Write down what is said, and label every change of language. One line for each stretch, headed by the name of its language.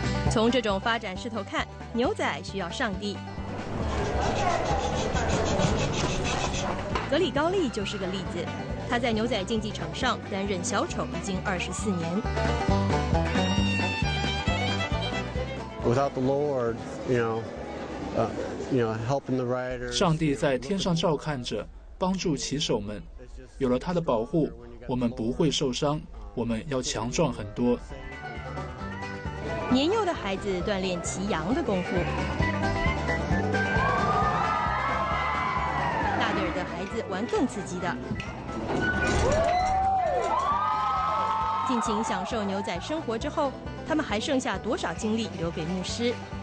Chinese: 从这种发展势头看，牛仔需要上帝。格里高利就是个例子，他在牛仔竞技场上担任小丑已经24年。
English: Without the Lord, you know, helping the riders.
Chinese: 上帝在天上照看着，帮助骑手们。有了他的保护，我们不会受伤，我们要强壮很多。年幼的孩子锻炼骑羊的功夫，大点儿的孩子玩更刺激的，尽情享受牛仔生活之后，他们还剩下多少精力留给牧师？